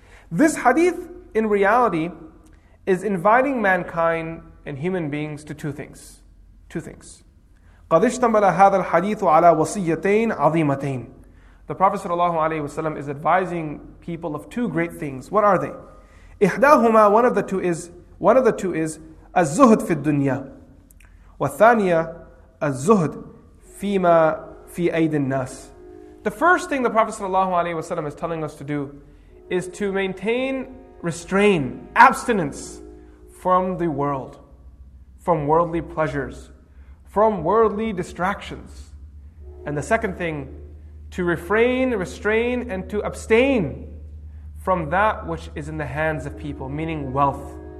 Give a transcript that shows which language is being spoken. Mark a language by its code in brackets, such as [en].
[en] This hadith, in reality, is inviting mankind and human beings to two things. [ar] قَدْ اشْتَمَلَ هَذَا الْحَدِيثُ عَلَىٰ وَصِيَّتَيْنِ عَظِيمَتَيْنِ. [en] The Prophet ﷺ is advising people of two great things. What are they? [ar] إِحْدَاهُمَا, [en] one of the two is, [ar] الزهد في الدنيا والثانية الزهد فيما في أيدي الناس. [en] The first thing the Prophet ﷺ is telling us to do is to maintain restraint, abstinence from the world, from worldly pleasures, from worldly distractions. And the second thing, to restrain, and to abstain from that which is in the hands of people, meaning wealth.